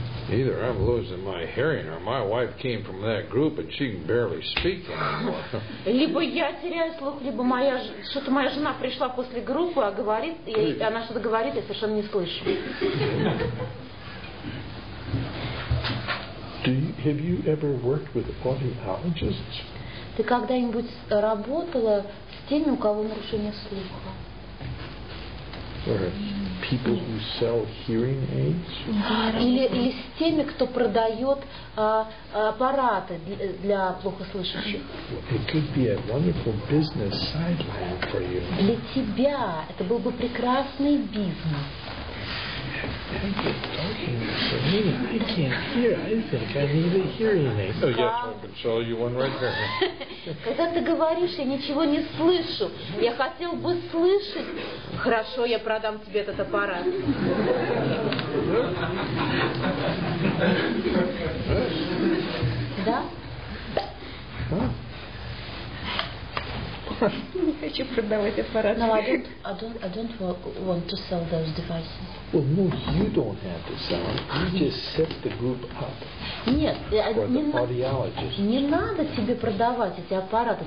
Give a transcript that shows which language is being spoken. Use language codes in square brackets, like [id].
[en] Either I'm losing my hearing, or my wife came from that group and she can barely speak anymore. [ru] Либо я теряю слух, либо моя жена пришла после группы, а говорит, и она что-то говорит, я совершенно не слышу. [en] Have you ever worked with audiologists? [ru] Ты когда-нибудь работала с теми, у кого нарушение слуха? [en] Or people who sell hearing aids? [ru] Или с теми, кто продает аппараты для плохослышащих. [en] It could be a wonderful business sideline for you. [ru] Для тебя это был бы прекрасный бизнес. Когда ты говоришь, я ничего не слышу. Я хотел бы слышать. Хорошо, я продам тебе этот аппарат. Да? Не хочу продавать аппарат. [en] No, I don't want to sell those devices. Well, no, you don't have to sell them. You just set the group up. [ru] Нет, не надо тебе продавать эти аппараты.